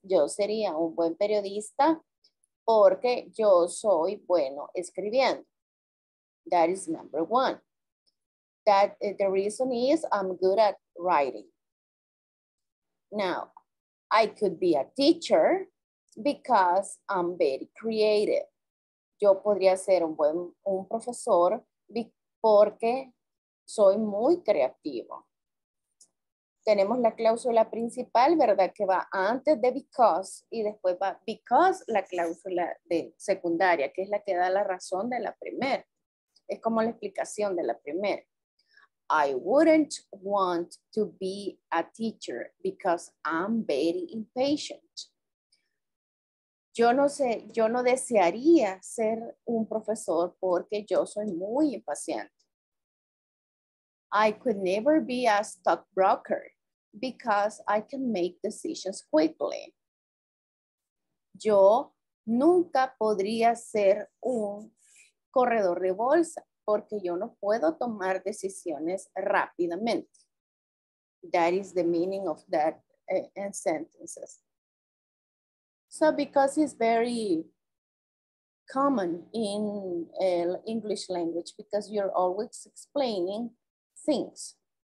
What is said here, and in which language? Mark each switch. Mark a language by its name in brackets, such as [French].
[Spanish] Yo sería un buen periodista porque yo soy bueno escribiendo. [English] That is number one. That the reason is I'm good at writing. Now, I could be a teacher because I'm very creative. [Spanish] Yo podría ser un buen profesor porque soy muy creativo. Tenemos la cláusula principal, ¿verdad? Que va antes de because y después va because la cláusula de secundaria, que es la que da la razón de la primera. Es como la explicación de la primera. [English] I wouldn't want to be a teacher because I'm very impatient. [Spanish] Yo no sé, yo no desearía ser un profesor porque yo soy muy impaciente. [English] I could never be a stockbroker because I can make decisions quickly. [Spanish] Yo nunca podría ser un corredor de bolsa porque yo no puedo tomar decisiones rápidamente. [English] That is the meaning of that in sentences. So because it's very common in English language, because you're always explaining things.